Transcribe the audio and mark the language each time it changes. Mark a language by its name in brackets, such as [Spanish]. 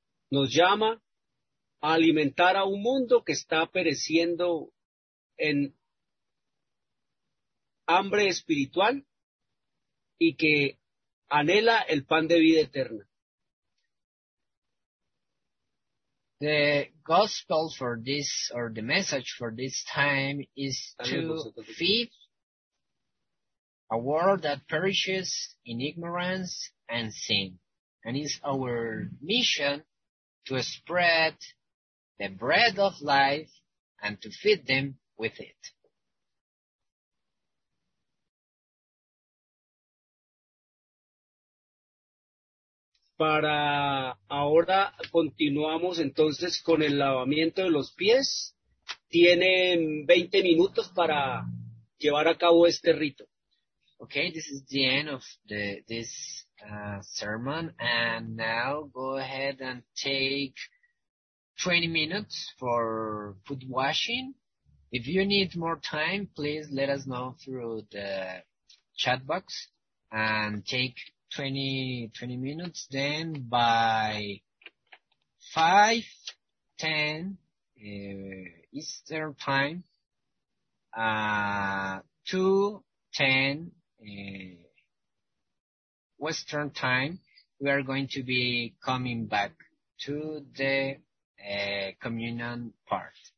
[Spanish] Nos llama a alimentar a un mundo que está pereciendo en hambre espiritual y que anhela el pan de vida eterna. [English] The gospel for this, or the message for this time, is to feed a world that perishes in ignorance and sin. And it's our mission to spread the bread of life and to feed them with it. [Spanish] Para ahora continuamos entonces con el lavamiento de los pies. Tienen 20 minutos para llevar a cabo este rito. [English] Okay, this is the end of this sermon. And now go ahead and take 20 minutes for foot washing. If you need more time, please let us know through the chat box and take 20 minutes, then by 5:10 Eastern time, 2:10 Western time, we are going to be coming back to the communion part.